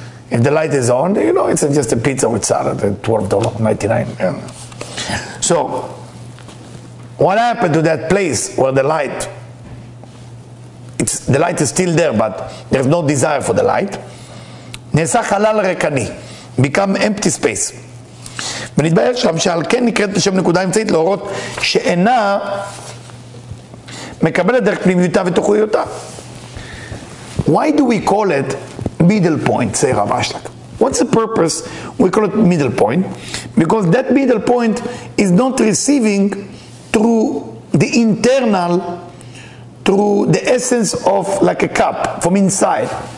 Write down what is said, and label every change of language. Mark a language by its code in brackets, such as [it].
[en] If the light is on, you know, it's just a pizza with salad at $12.99. Yeah. So, what happened to that place where the light, the light is still there, but there's no desire for the light? [he] Nesa halal rekani, [en] become empty space. [he] ונתבאר שם שעל כן נקראת בשם נקודה אמצעית להורות שאינה מקבלת דרך פנימיותה ותוכויותה. [en] Why do we call it middle point, say Rav Ashlag? What's the purpose we call it middle point? Because that middle point is not receiving through the internal, through the essence of like a cup from inside.